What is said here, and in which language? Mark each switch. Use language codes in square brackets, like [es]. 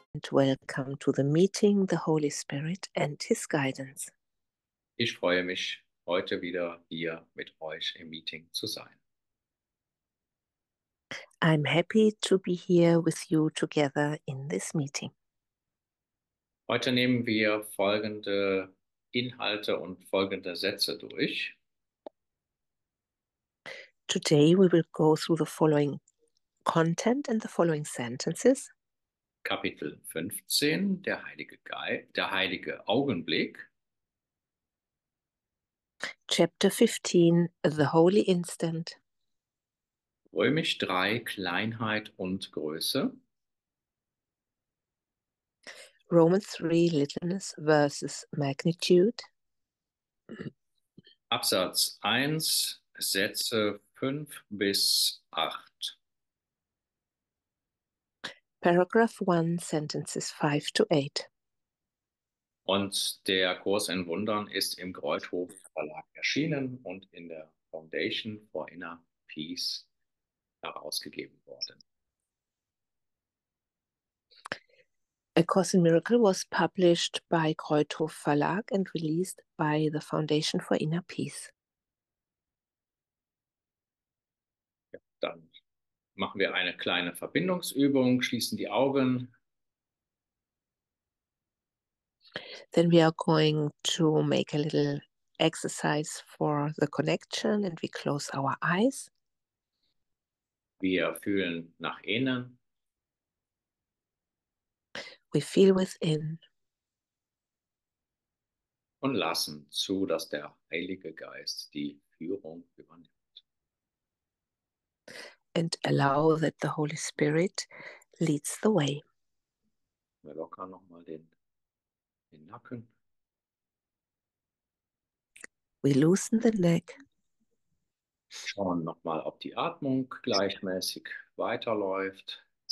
[en] welcome to the meeting, the Holy Spirit and his guidance. [de] Ich freue mich, heute wieder hier mit euch im Meeting zu sein. [en] I'm happy to be here with you together in this meeting. [de] Heute nehmen wir folgende Inhalte und folgende Sätze durch. [en] Today we will go through the following content and the following sentences. [de] Kapitel 15, der heilige Augenblick. [en] Chapter 15, the holy instant. [de] Römisch 3, Kleinheit und Größe. [en] Romans 3, littleness versus magnitude. [de] Absatz 1, Sätze 5 bis 8. [en] Paragraph 1, sentences 5 to 8. [de] Und der Kurs in Wundern ist im Greuthofverlag erschienen und in der Foundation for Inner Peace herausgegeben worden. [en] A Course in Miracle was published by Greuthofverlag and released by the Foundation for Inner Peace. [de] Ja, dann machen wir eine kleine Verbindungsübung, schließen die Augen. [en] Then we are going to make a little exercise for the connection and we close our eyes. [de] Wir fühlen nach innen. [en] We feel within. [de] Und lassen zu, dass der Heilige Geist die Führung übernimmt. [en] And allow that the Holy Spirit leads the way. [de] Wir lockern nochmal den Nacken. [en] We loosen the neck. [de] Schauen nochmal, ob die Atmung gleichmäßig weiterläuft.